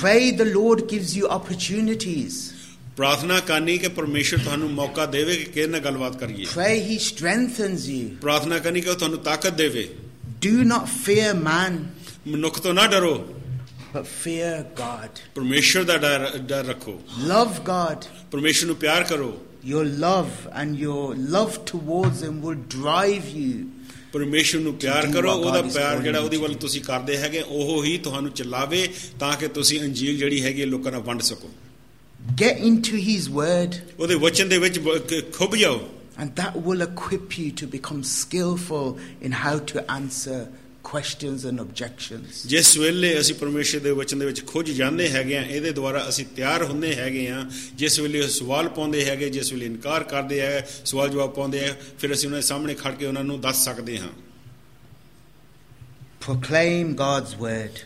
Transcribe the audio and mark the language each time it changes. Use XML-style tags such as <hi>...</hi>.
<en>Pray the Lord gives you opportunities.</en> <pa>ਪ੍ਰਾਰਥਨਾ ਕਰਨੀ ਕਿ ਪਰਮੇਸ਼ਰ ਤੁਹਾਨੂੰ ਮੌਕਾ ਦੇਵੇ ਕਿ ਕਿਹਦੇ ਨਾਲ ਗੱਲਬਾਤ ਕਰੀਏ.</pa> <en>Pray he strengthens you.</en> <pa>ਪ੍ਰਾਰਥਨਾ ਕਰਨੀ ਕਿ ਉਹ ਤੁਹਾਨੂੰ ਤਾਕਤ ਦੇਵੇ.</pa> <en>Do not fear man.</en> <pa>ਮਨੁੱਖ ਤੋਂ ਨਾ ਡਰੋ.</pa> <en>But fear God.</en> <pa>ਪਰਮੇਸ਼ਰ ਦਾ ਡਰ ਰੱਖੋ.</pa> <en>Love God.</en> <pa>ਪਰਮੇਸ਼ਰ ਨੂੰ ਪਿਆਰ ਕਰੋ.</pa> <en>Your love and your love towards him will drive you.</en> <pa>ਪਰਮੇਸ਼ਰ ਨੂੰ ਪਿਆਰ ਕਰੋ, ਉਹਦਾ ਪਿਆਰ ਜਿਹੜਾ ਉਹਦੀ ਵੱਲ ਤੁਸੀਂ ਕਰਦੇ ਹੈਗੇ ਉਹ ਹੀ ਤੁਹਾਨੂੰ ਚਲਾਵੇ ਤਾਂ ਕਿ ਤੁਸੀਂ ਅੰਜੀਲ ਜਿਹੜੀ ਹੈਗੀ ਲੋਕਾਂ ਨਾਲ ਵੰਡ ਸਕੋ.</pa> <en>Get into his word.</en> <pa>ਉਹਦੇ ਵਚਨ ਦੇ ਵਿੱਚ ਖੁੱਭ ਜਾਓ.</pa> <en>And that will equip you to become skillful in how to answer questions and objections.</en> <pa>ਜਿਸ ਵੇਲੇ ਅਸੀਂ ਪਰਮੇਸ਼ਰ ਦੇ ਵਚਨ ਦੇ ਵਿੱਚ ਖੁੱਝ ਜਾਂਦੇ ਹੈਗੇ ਆ, ਇਹਦੇ ਦੁਆਰਾ ਅਸੀਂ ਤਿਆਰ ਹੁੰਦੇ ਹੈਗੇ ਆ, ਜਿਸ ਵੇਲੇ ਉਹ ਸਵਾਲ ਪਾਉਂਦੇ ਹੈਗੇ, ਜਿਸ ਵੇਲੇ ਇਨਕਾਰ ਕਰਦੇ ਆ, ਸਵਾਲ ਜਵਾਬ ਪਾਉਂਦੇ ਆ, ਫਿਰ ਅਸੀਂ ਉਹਨਾਂ ਦੇ ਸਾਹਮਣੇ ਖੜ ਕੇ ਉਹਨਾਂ ਨੂੰ ਦੱਸ ਸਕਦੇ ਹਾਂ.</pa> <en>Proclaim God's word.</en>